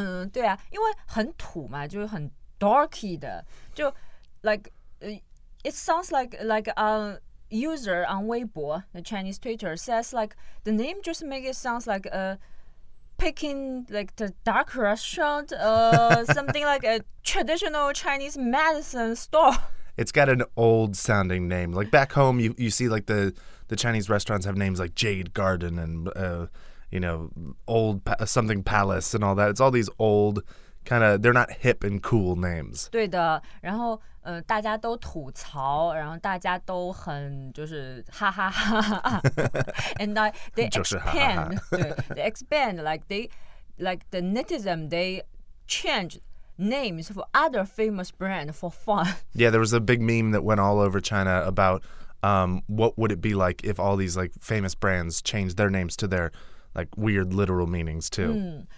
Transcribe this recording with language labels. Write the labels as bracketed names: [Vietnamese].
[Chinese] 对啊，因为很土嘛，就是很 [English] dorky [Chinese] 的，就 [English] like, it sounds like user on Weibo, the Chinese Twitter, says like the name just makes it sounds like picking like the dark restaurant, something like a traditional Chinese medicine store. It's got an old sounding name. Like back home, you see like the Chinese restaurants have names like Jade Garden and, you know, old something palace and all that. It's all these old kind of, they're not hip and cool names. [Chinese] 对的,然后大家都吐槽,然后大家都很就是哈哈哈哈。 [English] And they expand, [Chinese] 对, [English] they expand, like the netizen, they change names for other famous brands for fun. Yeah, there was a big meme that went all over China about what would it be like if all these like famous brands changed their names to their like weird literal meanings too.